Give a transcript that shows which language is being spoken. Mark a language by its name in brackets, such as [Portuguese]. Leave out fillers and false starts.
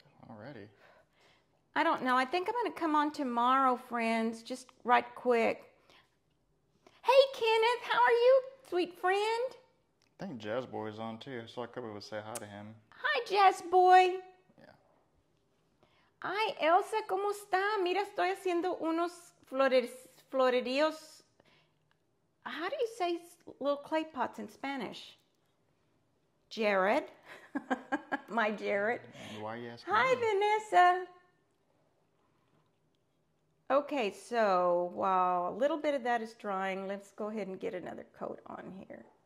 [English] Already. I don't know. I think I'm going to come on tomorrow, friends, just right quick. Hey, Kenneth, how are you, sweet friend? I think Jazz Boy's on, too, so I could be able to say hi to him. Hi, Jazz Boy. Yeah. Hi, [Spanish] Elsa, ¿cómo está? Mira, estoy haciendo unos floridios. [English] How do you say little clay pots in Spanish? Jared. My Jared. And why are you asking Hi, me? Vanessa. Okay, so while a little bit of that is drying, let's go ahead and get another coat on here.